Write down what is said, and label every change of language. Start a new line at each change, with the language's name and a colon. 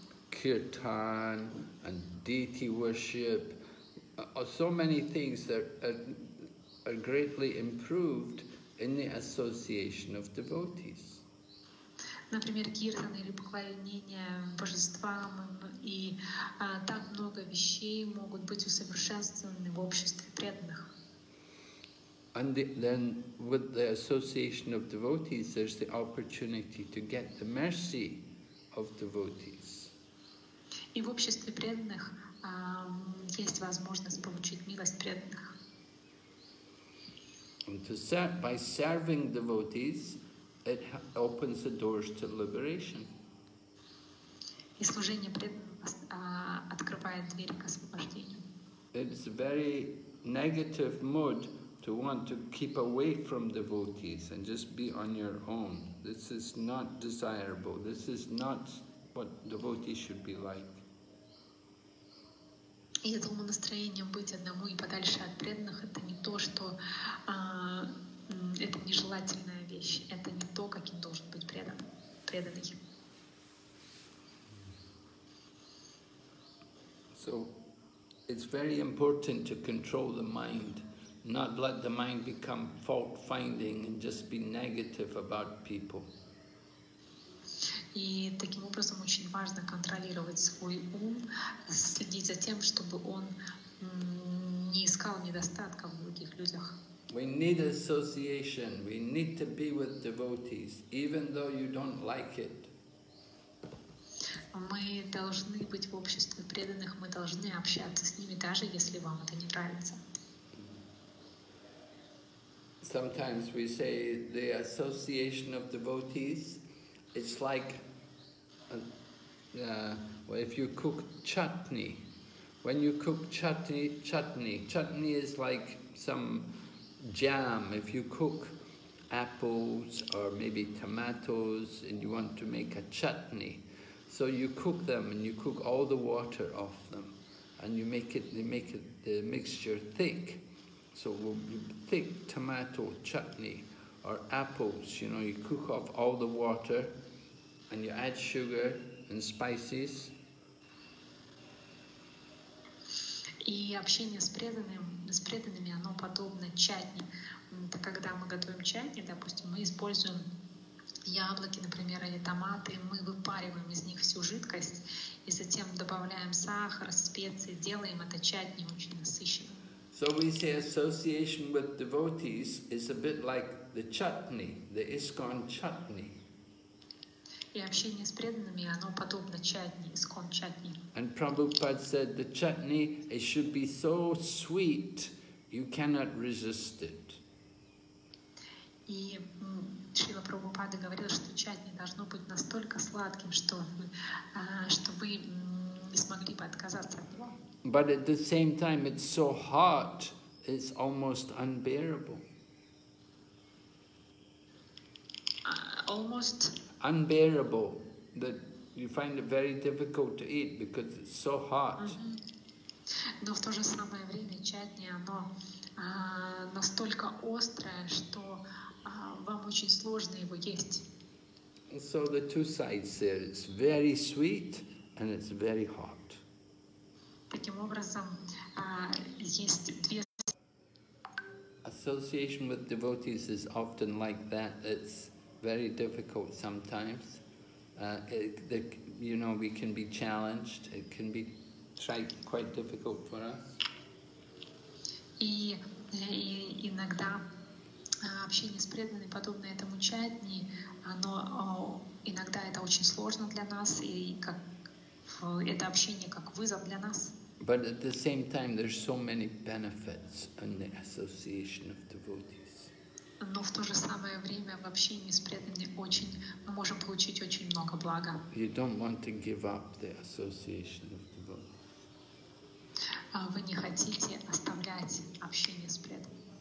English: Kirtan and deity worship, so many things that are greatly improved in the association of devotees.
Russian: Например, киртан или поклонение божествам, и так много вещей могут быть усовершенствованы в обществе преданных.
English: And then with the association of devotees, there's the opportunity to get the mercy of devotees.
Russian: И в обществе преданных есть возможность получить милость преданных.
English: And to serve, by serving devotees, it opens the doors to liberation.
Russian: И служение преданных открывает двери к освобождению.
English: It's a very negative mood to want to keep away from devotees and just be on your own. This is not desirable. This is not what devotees should be like.
Russian: И этому настроению быть одному и подальше от преданных — это не то, что это нежелательная вещь. Это не то, каким должен быть преданный.
English: So, it's very important to control the mind, not let the mind become fault-finding and just be negative about people.
Russian: И таким образом очень важно контролировать свой ум, следить за тем, чтобы он не искал недостатка в других людях.
English: We need association. We need to be with devotees, even though you don't like it.
Russian: Мы должны быть в обществе преданных, мы должны общаться с ними, даже если вам это не нравится.
English: Sometimes we say the association of devotees, it's like well, if you cook chutney, when you cook chutney is like some jam. If you cook apples or maybe tomatoes and you want to make a chutney, so you cook them and you cook all the water off them and you make it, they make it, the mixture thick. So it will be thick tomato chutney or apples, you know, you cook off all the water and you add sugar and spices.
Russian: И общение с преданными, оно подобно чатни. Это когда мы готовим чатни, допустим, мы используем яблоки, например, или томаты, мы выпариваем из них всю жидкость, и затем добавляем сахар, специи, делаем это чатни очень насыщенным.
English: So we say association with devotees is a bit like the chutney, the ISKCON chutney.
Russian: И общение с преданными, оно подобно чатни, искон чатни.
English: And Prabhupada said, the chutney, it should be so sweet, you cannot resist it.
Russian: И Шрила Прабхупада говорил, что чатни должно быть настолько сладким, что чтобы не смогли бы отказаться от него.
English: But at the same time, it's so hot, it's almost unbearable. Almost unbearable, that you find it very difficult to eat because it's so hot. Mm-hmm.
Russian: Но в то же самое время чатни, оно настолько острое, что вам очень сложно его есть.
English: And so the two sides there, it's very sweet and it's very hot.
Russian: Таким образом, есть две...
English: Association with devotees is often like that. It's very difficult sometimes. You know, we can be challenged. It can be quite difficult for us.
Russian: И иногда общение с преданными, подобное этому чатни, оно иногда это очень сложно для нас, и как это общение как вызов для нас.
English: But at the same time, there's so many benefits in the association of devotees.
Russian: Но в то же самое время в общении с преданными очень мы можем получить очень много блага.
English: You don't want to give up the association of devotees.
Russian: Вы не хотите оставлять общение с преданными.